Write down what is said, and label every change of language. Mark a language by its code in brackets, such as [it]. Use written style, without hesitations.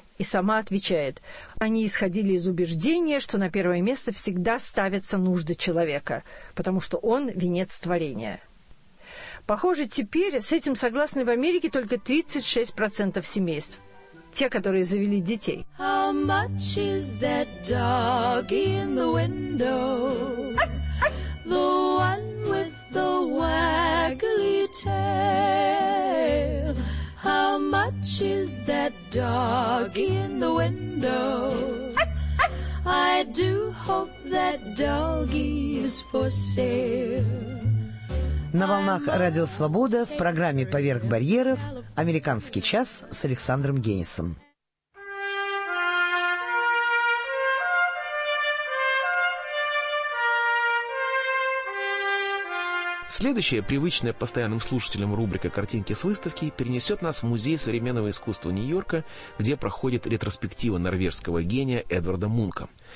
[ru] И сама отвечает, они исходили из убеждения, что на первое место всегда ставятся нужды человека, потому что он венец творения. Похоже, теперь с этим согласны в Америке только 36% семейств. Те, которые завели детей. [en] How much is that doggy in the window? The one with the waggly tail. How much is that doggy in the window? I do hope that doggy is for sale. [ru] На волнах «Радио Свобода» в программе «Поверх барьеров» «Американский час» с Александром Генисом. Следующая, привычная постоянным слушателям рубрика «Картинки с выставки» перенесет нас в Музей современного искусства Нью-Йорка, где проходит ретроспектива норвежского гения Эдварда Мунка.